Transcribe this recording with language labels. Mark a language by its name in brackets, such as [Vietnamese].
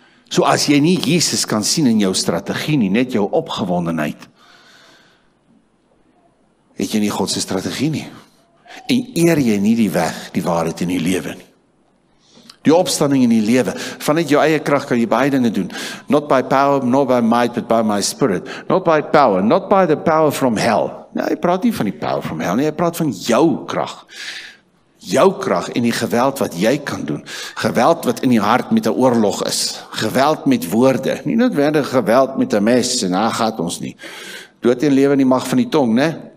[Afrikaans] So as jy nie Jesus kan sien in jou strategie nie, net jou opgewondenheid, het jy nie God se strategie nie. En eer jy nie die weg, die waarheid in die lewe nie. Die opstanding in die lewe. Vanuit jou eie krag kan jy baie dinge doen. [English] Not by power, not by might, but by my spirit. Not by power, not by the power from hell. [Afrikaans] Nee, hy praat nie van die [English] power from hell [Afrikaans] nie, hy praat van jou krag. Jou krag en die geweld wat jy kan doen. Geweld wat in die hart met 'n oorlog is. Geweld met woorde. Nie noodwendig geweld met 'n mes, en daar gaat ons nie. Dood en lewe in die mag van die tong, né?